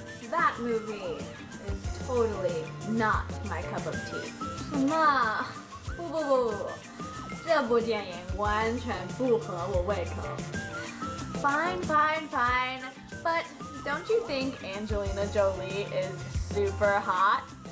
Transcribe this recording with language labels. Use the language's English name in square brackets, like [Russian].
[English] That movie is totally not my cup of tea. [Chinese] 什么？不，这部电影完全不合我胃口。 [English] Fine. But don't you think Angelina Jolie is super hot?